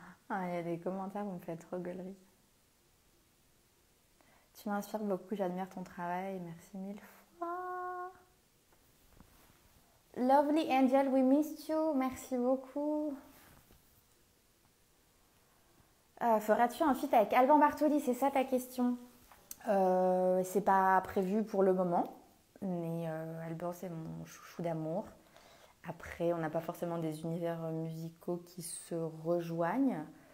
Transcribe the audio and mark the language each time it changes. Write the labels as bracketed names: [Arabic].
[French] Il y a des commentaires, vous me faites trop gueulerie. Tu m'inspires beaucoup, j'admire ton travail. Merci mille fois. [English] Lovely Angel, we missed you. [French] Merci beaucoup. Feras-tu un feat avec Alban Bartoli? C'est ça ta question. C'est pas prévu pour le moment, mais Alban, c'est mon chouchou d'amour. Après, on n'a pas forcément des univers musicaux qui se rejoignent.